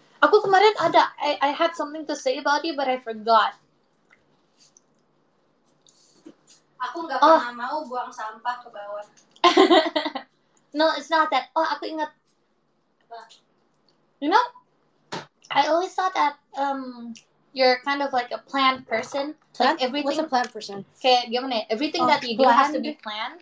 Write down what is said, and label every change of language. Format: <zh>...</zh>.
<id>Aku kemarin ada,</id> <en>I had something to say about you, but I forgot.</en> <id>Aku gak pernah mau buang sampah ke bawah.</id> <en>No, it's not that.</en> <id>Oh, aku ingat.</id> <en>You know, I always thought that you're kind of like a planned person. Plan? Like everything. What's a planned person?</en> <id>Okay, gimana?</id> <en>Everything that you planned. Do has to be planned.</en>